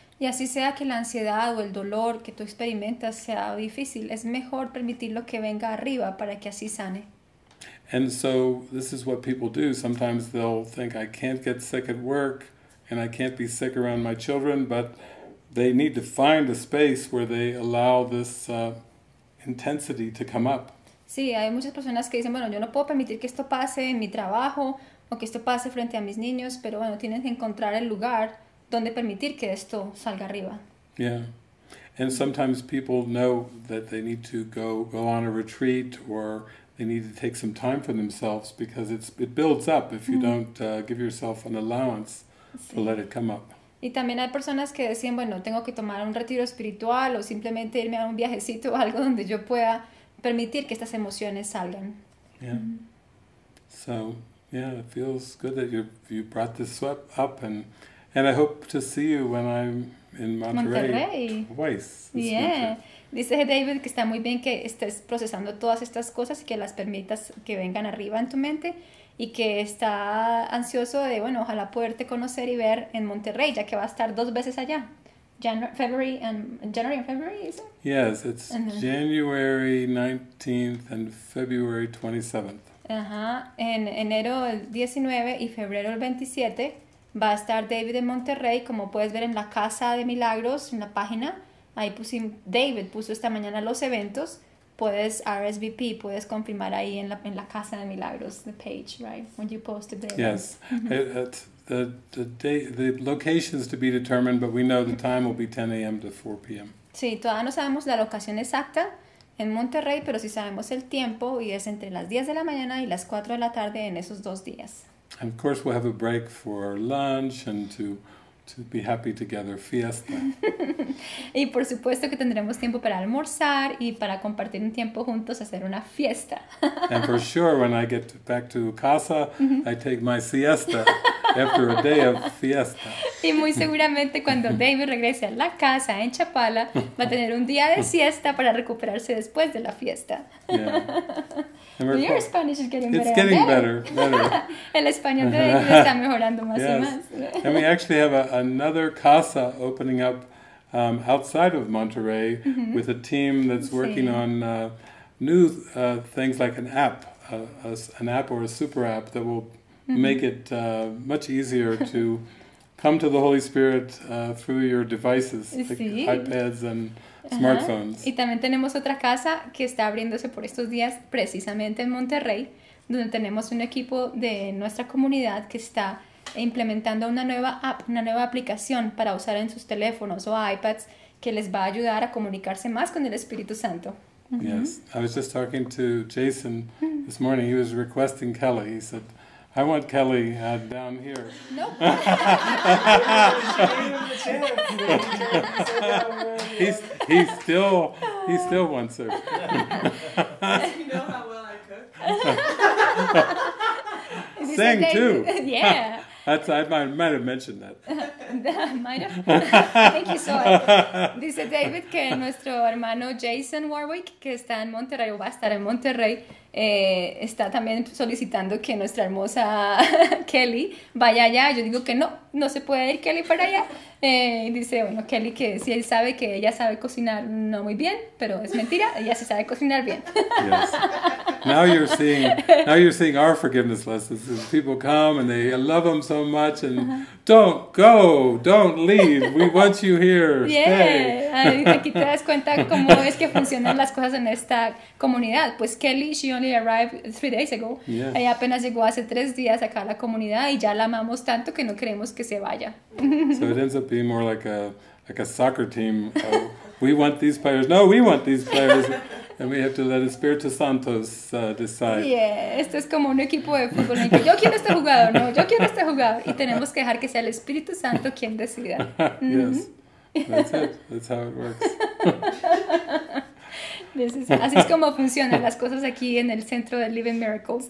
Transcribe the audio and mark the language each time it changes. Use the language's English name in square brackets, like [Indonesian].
[Spanish] Y así sea que la ansiedad o el dolor que tú experimentas sea difícil, es mejor permitirlo que venga arriba para que así sane. [English] And so this is what people do. Sometimes they'll think, I can't get sick at work and I can't be sick around my children, but they need to find a space where they allow this intensity to come up. [Spanish] Sí, hay muchas personas que dicen, bueno, yo no puedo permitir que esto pase en mi trabajo o que esto pase frente a mis niños, pero bueno, tienen que encontrar el lugar donde permitir que esto salga arriba. [English] Yeah. And sometimes people know that they need to go on a retreat or they need to take some time for themselves because it builds up if you don't give yourself an allowance to let it come up. [Spanish] Y también hay personas que dicen, bueno, tengo que tomar un retiro espiritual o simplemente irme a un viajecito o algo donde yo pueda permitir que estas emociones salgan. [English] Yeah. Mm-hmm. So, yeah, it feels good that you brought this up and I hope to see you when I'm in Monterrey. Twice. Yeah. [Spanish] Dice David que está muy bien que estés procesando todas estas cosas y que las permitas que vengan arriba en tu mente y que está ansioso de, bueno, ojalá poderte conocer y ver en Monterrey, ya que va a estar dos veces allá. [English] January and February, is it? Yes, it's January 19th and February 27th. [Spanish] Ajá, en enero el 19 y febrero el 27 va a estar David en Monterrey, como puedes ver en la Casa de Milagros, en la página. Ahí David puso esta mañana los eventos. Puedes RSVP, puedes confirmar ahí en la Casa de Milagros, [English] the page, right? When you posted the events. Yes. the location is to be determined, but we know the time will be 10 a.m. to 4 p.m. [Spanish] Sí, todavía no sabemos la locación exacta en Monterrey, pero sí sabemos el tiempo y es entre las 10 de la mañana y las 4 de la tarde en esos dos días. [English] And of course, we'll have a break for lunch and to be happy together, fiesta. [Spanish] Y por supuesto que tendremos tiempo para almorzar y para compartir un tiempo juntos, hacer una fiesta. [English] And for sure, when I get back to casa, I take my siesta after a day of fiesta. [Spanish] Y muy seguramente cuando David regrese a la casa en Chapala, va a tener un día de siesta para recuperarse después de la fiesta. [English] Yeah. Your Spanish is getting better. It's getting better. Better. [Spanish] El español de David está mejorando más [English] yes. [Spanish] y más. [English] And we actually have another casa opening up outside of Monterrey with a team that's working on new things like an app, an app or a super app that will make it much easier to come to the Holy Spirit through your devices, like iPads and smartphones. [Spanish] Y también tenemos otra casa que está abriéndose por estos días precisamente en Monterrey, donde tenemos un equipo de nuestra comunidad que está implementando una nueva app, una nueva aplicación para usar en sus teléfonos o iPads que les va a ayudar a comunicarse más con el Espíritu Santo. Mm-hmm. [English] Yes, I was just talking to Jason this morning. He was requesting Kelly. He said, I want Kelly down here. Nope. he's still He still wants her. You know how well I cook? Sing too. Yeah. That's, I might have mentioned that. Might have. Thank you so much. [Spanish] Dice David que nuestro hermano Jason Warwick, que está en Monterrey, o va a estar en Monterrey, está también solicitando que nuestra hermosa Kelly vaya allá. Yo digo que no, no se puede ir Kelly para allá. Dice, bueno, Kelly, que si él sabe que ella sabe cocinar no muy bien, pero es mentira, ella sí sabe cocinar bien. [English] Yes. Now you're seeing our forgiveness lessons. As people come and they love them so much and don't go, don't leave. We want you here. Yeah. Stay. [Spanish] Aquí te das cuenta cómo es que funcionan las cosas en esta comunidad. [English] Pues Kelly, she only arrived 3 days ago. Yes. [Spanish] Ella apenas llegó hace 3 días acá a la comunidad y ya la amamos tanto que no queremos que se vaya. [English] So it ends up being more like a soccer team. We want these players. No, we want these players. And we have to let Espíritu Santo decide. [Spanish] Yeah, esto es como un equipo de fútbol. En que yo quiero este jugador, no, yo quiero este jugador. Y tenemos que dejar que sea el Espíritu Santo quien decida. [English] Mm-hmm. Yes, that's it. That's how it works. [Spanish] Así es como funcionan las cosas aquí en el centro de Living Miracles.